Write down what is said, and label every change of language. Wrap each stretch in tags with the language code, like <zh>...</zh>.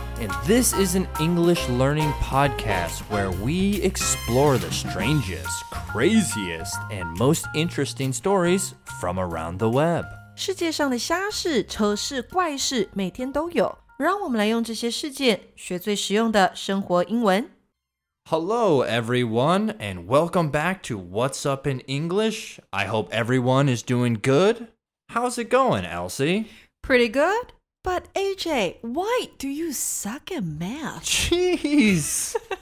<en>And this is an English learning podcast where we explore the strangest, craziest, and most interesting stories from around the web.</en> <zh>世界上的瞎事、丑事、怪事每天都有。让我们来用这些事件学最实用的生活英文。</zh> <en>Hello, everyone, and welcome back to What's Up in English. I hope everyone is doing good. How's it going, Elsie? Pretty good. But AJ, why do you suck at math? Jeez!</en>